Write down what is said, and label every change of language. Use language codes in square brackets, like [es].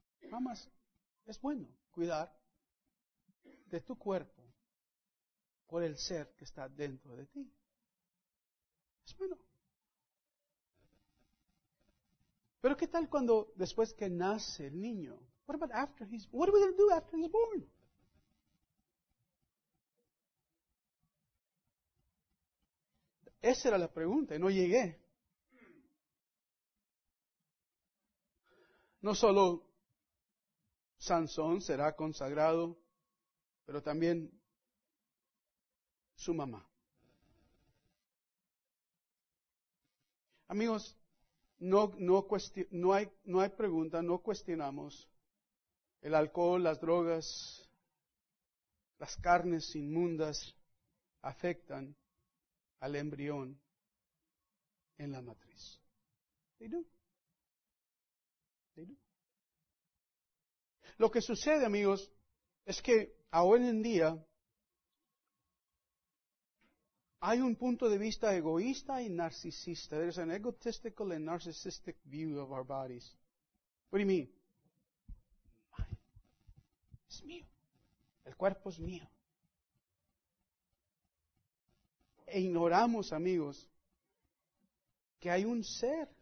[es] Mamas, es bueno cuidar de tu cuerpo por el ser que está dentro de ti. Es bueno. Pero ¿qué tal cuando después que nace el niño? [en] What about after he's born? What are we going to do after he's born? [es] Esa era la pregunta y no llegué. No solo Sansón será consagrado, pero también su mamá. Amigos, no hay pregunta, no cuestionamos el alcohol, las drogas, las carnes inmundas afectan al embrión en la matriz. [en] They do. They do. [es] Lo que sucede, amigos, es que hoy en día hay un punto de vista egoísta y narcisista. [en] There's an egotistical and narcissistic view of our bodies. What do you mean? [es] Es mío. El cuerpo es mío. E ignoramos, amigos, que hay un ser.